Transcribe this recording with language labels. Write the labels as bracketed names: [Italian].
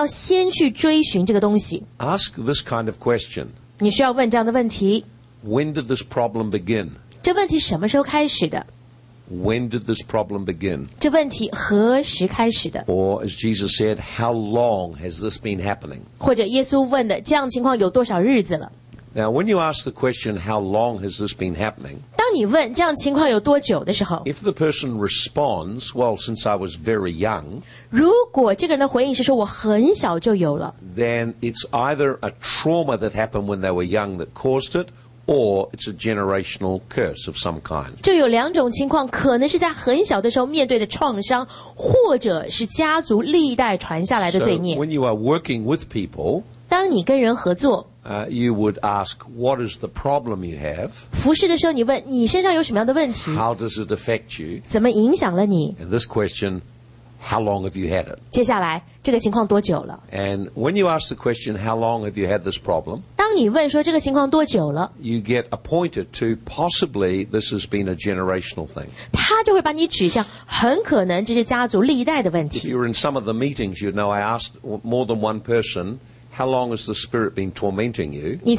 [Chinese] 如果你要去来追溯这个人身上是否有历代的咒诅，你要先去追寻这个东西。 [English] Ask this kind of question. [Chinese] 你需要问这样的问题。 [English] When did this problem begin? [Chinese] 这问题什么时候开始的？ [English] When did this problem begin? [Chinese] 这问题何时开始的？ [English] Or as Jesus said, how long has this been happening? [Chinese] 或者耶稣问的，这样情况有多少日子了？ [English] Now, when you ask the question, how long has this been happening? [Chinese] 当你问这样情况有多久的时候, [English] if the person responds, well, since I was very young, [Chinese] 如果这个人的回应是说我很小就有了, [English] then it's either a trauma that happened when they were young that caused it, or it's a generational curse of some kind. [Chinese] 就有两种情况,可能是在很小的时候面对的创伤, 或者是家族历代传下来的罪孽。 [English] So, when you are working with people, [Chinese] 当你跟人合作, [English] You would ask, what is the problem you have? [Chinese] 服侍的时候你问,你身上有什么样的问题? [English] How does it affect you? [Chinese] 怎么影响了你? [English] And this question, how long have you had it? [Chinese] 接下来,这个情况多久了? [English] And when you ask the question, how long have you had this problem? [Chinese] 当你问说这个情况多久了? [English] You get appointed to possibly this has been a generational thing. [Chinese] 他就会把你指向,很可能这是家族历代的问题。 [English] If you were in some of the meetings, you'd know I asked more than one person, how long has the spirit been tormenting you?